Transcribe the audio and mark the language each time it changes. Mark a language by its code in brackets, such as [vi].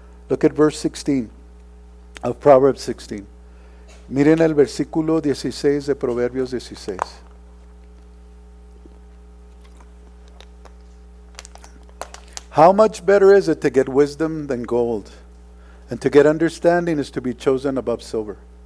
[en] Look at verse 16 of Proverbs 16. [es] Miren el versículo 16 de Proverbios 16. [en] How much better is it to get wisdom than gold, and to get understanding is to be chosen above silver.